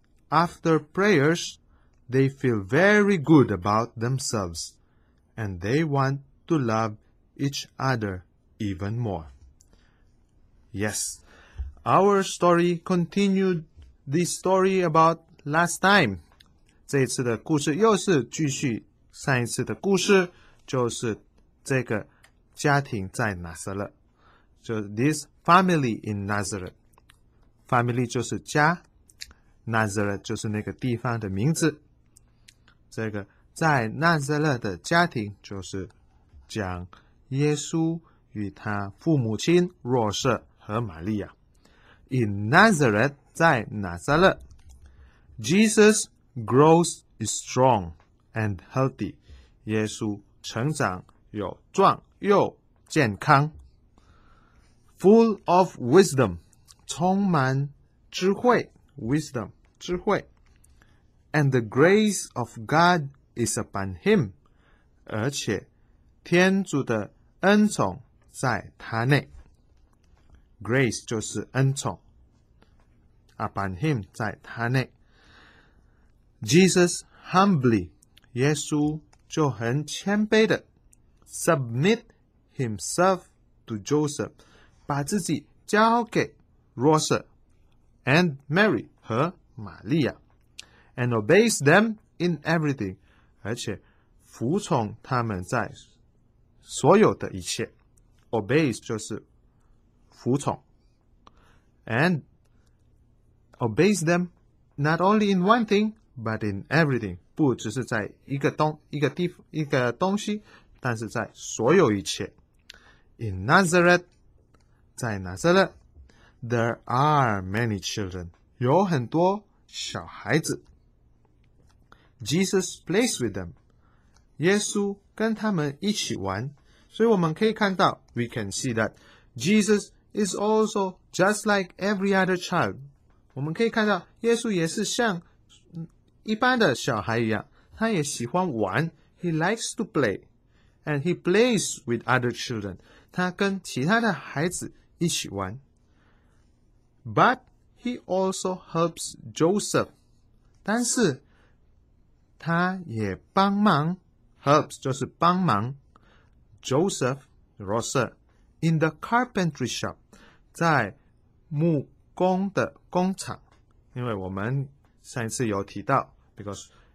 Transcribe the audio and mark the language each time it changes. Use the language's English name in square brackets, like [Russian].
[English] After prayers,They feel very good about themselves, and they want to love each other even more. Yes, our story continued the story about last time. [Chinese] 这一次的故事又是继续上一次的故事，就是这个家庭在拿撒勒。 [English] So this family in Nazareth. [Chinese] Family 就是家 ，Nazareth 就是那个地方的名字。这个在纳撒勒的家庭就是讲耶稣与他父母亲若瑟和玛利亚。 [English] In Nazareth, [Chinese] 在纳撒勒 [English] Jesus grows strong and healthy. [Chinese] 耶稣成长有壮又健康。 [English] Full of wisdom, [Chinese] 充满智慧 [English] wisdom, [Chinese] 智慧。 [English] And the grace of God is upon him. [Chinese] 而且天主的恩宠在他内。 Grace 就是恩宠。 [English] Upon him [Chinese] 在他内。 [English] Jesus humbly, [Chinese] 耶稣就很谦卑的 [English] submit himself to Joseph, [Chinese] 把自己交给若瑟 [English] and Mary [Chinese] 和玛利亚。 [English] And obeys them in everything, [Chinese] 而且服从他们在所有的一切。 Obeys 就是服从。 [English] And obeys them not only in one thing, but in everything, [Chinese] 不只是在一个东西,但是在所有一切。 [English] In Nazareth, [Chinese] 在拿撒勒, [English] there are many children, [Chinese] 有很多小孩子。 [English] Jesus plays with them. [Chinese] 耶稣跟他们一起玩。所以我们可以看到 [English] we can see that Jesus is also just like every other child. [Chinese] 我们可以看到耶稣也是像一般的小孩一样。他也喜欢玩。 [English] He likes to play. And he plays with other children. [Chinese] 他跟其他的孩子一起玩。 [English] But he also helps Joseph. [Chinese] 但是他也帮忙 [English] helps [Chinese] 就是帮忙 [English] Joseph Rosa in the carpentry shop [Chinese] 在木工的工厂因为我们上一次有提到 [English] because